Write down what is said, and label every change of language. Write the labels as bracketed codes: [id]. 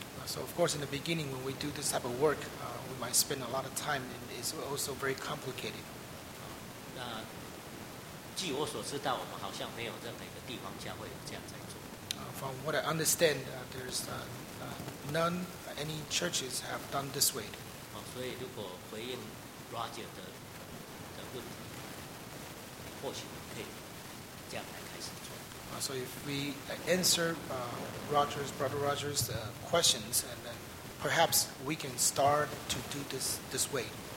[en] So of course, in the beginning, when we do this type of work, we might spend a lot of time, and it's also very complicated. [zh] 据我所知道，我们好像没有任何一个地方教会有这样在做。 [en] From what I understand, there's any churches have done this way. [zh] 所以如果回应 Roger 的问题，或许可以这样来开始做。 [en] So if we answer Roger's brother Roger's questions, and then perhaps we can start to do this way.